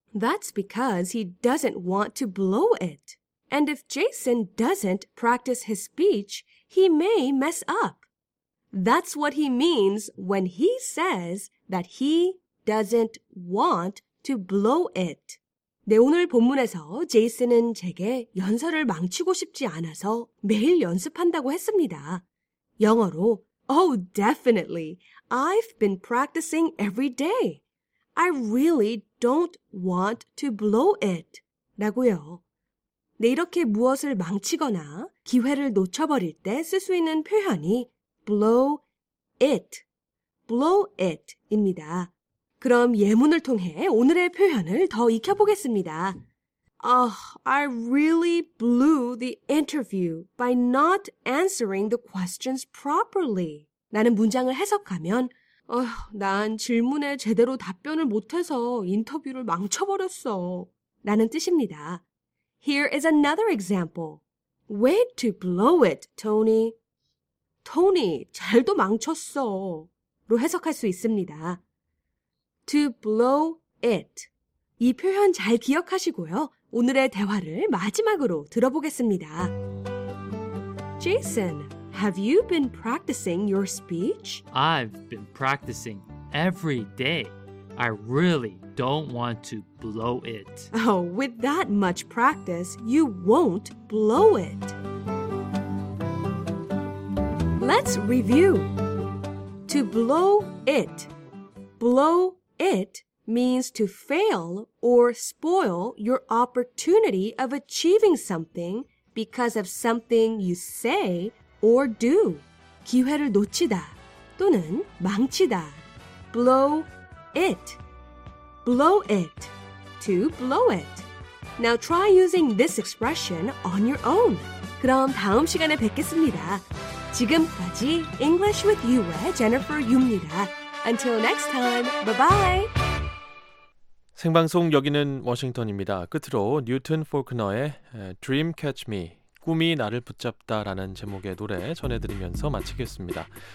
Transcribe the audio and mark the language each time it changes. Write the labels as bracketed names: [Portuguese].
[English] That's because he doesn't want to blow it. And if Jason doesn't practice his speech, he may mess up. That's what he means when he says that he doesn't want to blow it. [Korean] 네, 오늘 본문에서 제이슨은 제게 연설을 망치고 싶지 않아서 매일 연습한다고 했습니다. 영어로 [English] Oh, definitely. I've been practicing every day. I really don't want to blow it. [Korean] 라고요. 네, 이렇게 무엇을 망치거나 기회를 놓쳐버릴 때 쓸 수 있는 표현이 blow it, blow it입니다. 그럼 예문을 통해 오늘의 표현을 더 익혀보겠습니다. [English] Oh, I really blew the interview by not answering the questions properly. [Korean] 라는 문장을 해석하면 난 질문에 제대로 답변을 못해서 인터뷰를 망쳐버렸어. 라는 뜻입니다. [English] Here is another example. Way to blow it, Tony. [Korean] 토니, 잘도 망쳤어. 로 해석할 수 있습니다. [English] To blow it. [Korean] 이 표현 잘 기억하시고요. 오늘의 대화를 마지막으로 들어보겠습니다. [English] Jason, have you been practicing your speech? I've been practicing every day. I really don't want to blow it. Oh, with that much practice, you won't blow it. Let's review. To blow it. Blow it means to fail or spoil your opportunity of achieving something because of something you say or do. [Korean] 기회를 놓치다 또는 망치다. [English] Blow it. Blow it. To blow it. Now try using this expression on your own. [Korean] 그럼 다음 시간에 뵙겠습니다. 지금까지 English with You의 Jennifer Yu입니다. [English] Until next time, bye-bye! [Korean] 생방송 여기는 워싱턴입니다. 끝으로 뉴튼 포크너의 Dream Catch Me, 꿈이 나를 붙잡다라는 제목의 노래 전해드리면서 마치겠습니다.